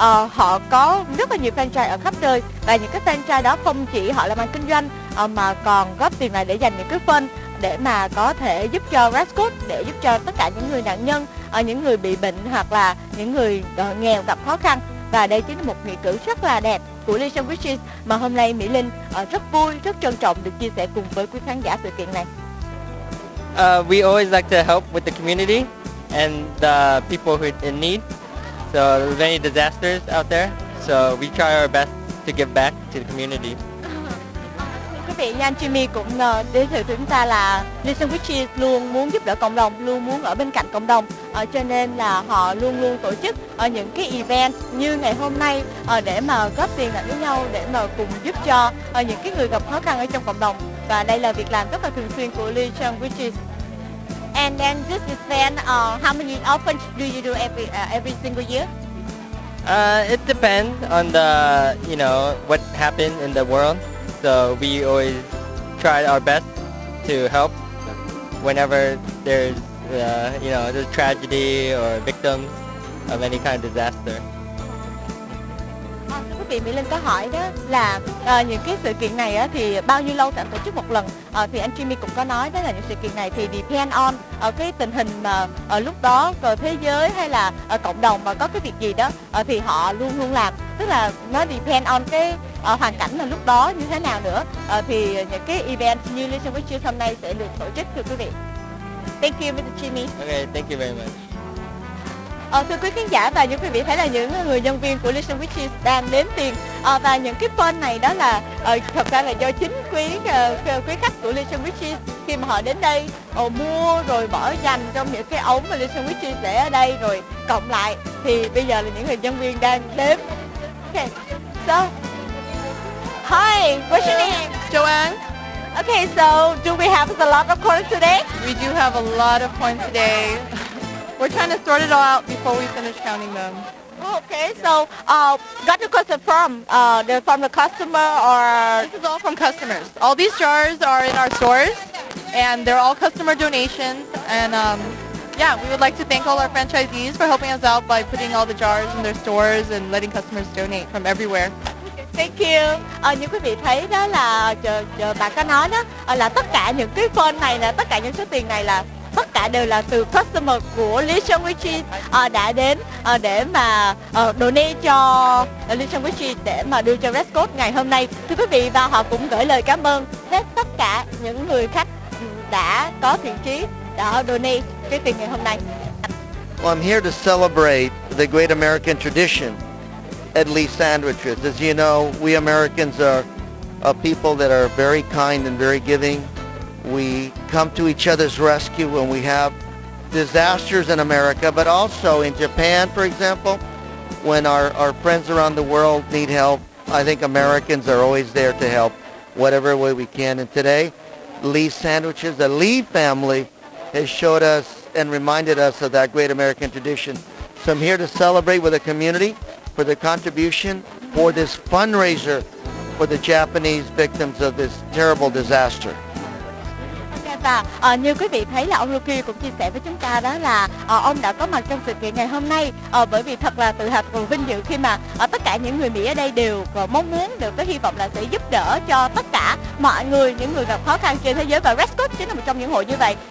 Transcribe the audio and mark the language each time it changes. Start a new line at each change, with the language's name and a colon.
Vietnamese: Họ có rất là nhiều franchise ở khắp nơi. Và những cái franchise đó không chỉ họ làm ăn kinh doanh mà còn góp tiền lại để dành những cái fund để mà có thể giúp cho Westcott, để giúp cho tất cả những người nạn nhân, những người bị bệnh hoặc là những người nghèo gặp khó khăn. Và đây chính là một nghĩa cử rất là đẹp của Lee Sandwiches mà hôm nay Mỹ Linh rất vui, rất trân trọng được chia sẻ cùng với quý khán giả sự kiện này.
English: We always like to help with the community and the people who are in need. So many disasters out there. So we try our best to give back to the community.
Vietnamese: Quý vị nha, anh Jimmy cũng giới thiệu chúng ta là Lee Sandwiches luôn muốn giúp đỡ cộng đồng, luôn muốn ở bên cạnh cộng đồng. Cho nên là họ luôn luôn tổ chức những cái event như ngày hôm nay để mà góp tiền lại với nhau, để mà cùng giúp cho những cái người gặp khó khăn ở trong cộng đồng. Và đây là việc làm rất là thường xuyên của Lee Sandwiches.
English: And then this event, how many often do you do every single year? It depends on the, you know, what happened in the world. So we always try our best to help whenever there's, you know, there's tragedy or victims of any kind of disaster.
Vietnamese: Quý vị Mỹ Linh có hỏi đó là những cái sự kiện này thì bao nhiêu lâu tổ chức một lần? Thì anh Jimmy cũng có nói đó là những sự kiện này thì depend on cái tình hình mà lúc đó ở thế giới hay là cộng đồng mà có cái việc gì đó thì họ luôn luôn làm. Tức là nó depend on cái hoàn cảnh là lúc đó như thế nào nữa. Thì những cái event như Lee Sandwiches hôm nay sẽ được tổ chức, thưa quý vị.
English: Thank you, Mr. Jimmy. Okay, thank you very much.
Vietnamese: Thưa quý khán giả, và như quý vị thấy là những người nhân viên của Lee Sandwiches đang đếm tiền. Và những cái fund này đó là thật ra là do chính quý khách của Lee Sandwiches khi mà họ đến đây mua rồi bỏ dành trong những cái ống mà Lee Sandwiches để ở đây rồi cộng lại. Thì bây giờ là những người nhân viên đang đếm.
English: Okay, so hi, what's your name? Joanne. Okay, so do we have a lot of coins today? We do have a lot of coins today. We're trying to sort it all out before we finish counting them. Okay, so got the question from? They're from the customer or? This is all from customers. All these jars are in our stores and they're all customer donations. And yeah, we would like to thank all our franchisees for helping us out by putting all the jars in their stores and letting customers donate from everywhere. Thank you.
Vietnamese: Như quý vị thấy đó là bạn có nói đó là tất cả những cái phone này là tất cả những số tiền này là tất cả đều là từ customer của Lee Sandwiches đã đến để mà donate cho Lee Sandwiches để mà đưa cho Westcott ngày hôm nay. Thưa quý vị, và họ cũng gửi lời cảm ơn hết tất cả những người khách đã có thiện chí đã donate cái tiền ngày hôm nay.
English: Well, I'm here to celebrate the great American tradition at Lee Sandwiches. As you know, we Americans are a people that are very kind and very giving. We come to each other's rescue when we have disasters in America, but also in Japan, for example, when our friends around the world need help. I think Americans are always there to help whatever way we can. And today, Lee Sandwiches, the Lee family, has showed us and reminded us of that great American tradition. So I'm here to celebrate with the community for the contribution for this fundraiser for the Japanese victims of this terrible disaster.
Vietnamese: Và như quý vị thấy là ông Rookie cũng chia sẻ với chúng ta đó là ông đã có mặt trong sự kiện ngày hôm nay bởi vì thật là tự hào và vinh dự khi mà tất cả những người Mỹ ở đây đều mong muốn được cái hy vọng là sẽ giúp đỡ cho tất cả mọi người, những người gặp khó khăn trên thế giới, và Westcott chính là một trong những hội như vậy.